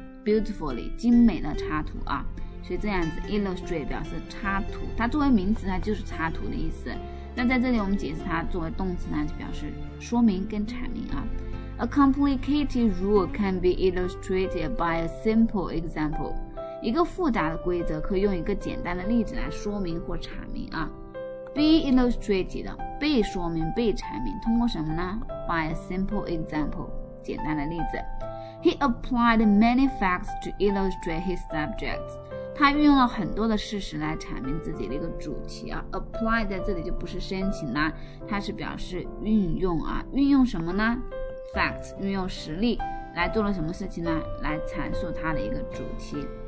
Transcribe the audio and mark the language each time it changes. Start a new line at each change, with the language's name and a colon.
Chinese: beautifully 精美的插图啊。所以这样子 illustrate 表示插图，它作为名词它就是插图的意思，那在这里我们解释它作为动词呢，就表示说明跟阐明啊。
English: A complicated rule can be illustrated by a simple example，
Chinese: 一个复杂的规则可以用一个简单的例子来说明或阐明啊。 be illustrated 被说明被阐明，通过什么呢？
English: by a simple example，
Chinese: 简单的例子。
English: He applied many facts to illustrate his subject，
Chinese: 他运用了很多的事实来阐明自己的一个主题啊。 apply 在这里就不是申请啦，它是表示运用啊。运用什么呢？ facts， 运用实例来做了什么事情呢？来阐述他的一个主题。